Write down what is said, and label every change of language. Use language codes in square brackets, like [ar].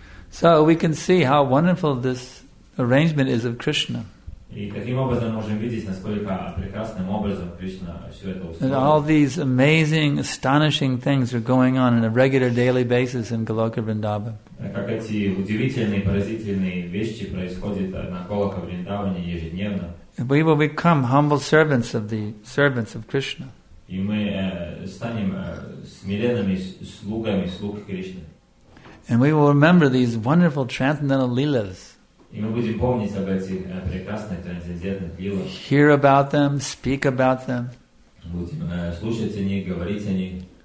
[en] So we can see how wonderful this arrangement is of Krishna. [ru] И таким образом можем видеть, насколько прекрасным образом Кришна все это устроил. [en] And all these amazing, astonishing things are going on a regular daily basis in Goloka Vrindavan. [ru] Как эти удивительные, поразительные вещи происходят на Голока Вриндаване ежедневно. [en] And we will become humble servants of the servants of Krishna. [ru] И мы станем смиренными слугами слуг Кришны. [en] And we will remember these wonderful transcendental lilas. [ru] И мы будем помнить об этих прекрасных трансцендентных лилах. [en] Hear about them, speak about them. [ru] Будем слушать о них, говорить о них.